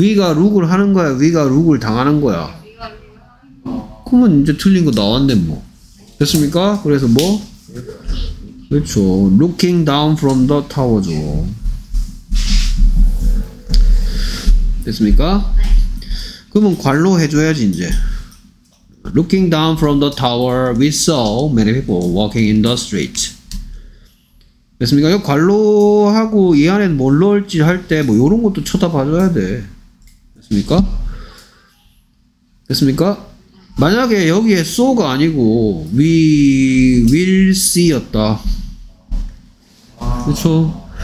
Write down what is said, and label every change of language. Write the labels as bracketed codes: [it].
[ko] 위가 룩을 하는 거야, 위가 룩을 당하는 거야? 그러면 이제 틀린 거 나왔네, 뭐. 됐습니까? 그래서 뭐? 그쵸. [en] Looking down from the tower죠. [ko] 됐습니까? 그러면 관로 해줘야지, 이제. [en] Looking down from the tower, we saw many people walking in the street. [ko] 됐습니까? 이거 관로하고 이 안엔 뭘 넣을지 할 때 뭐 요런 것도 쳐다봐줘야 돼. 됐습니까? 됐습니까? 만약에 여기에 so가 아니고 we will see였다. 그쵸?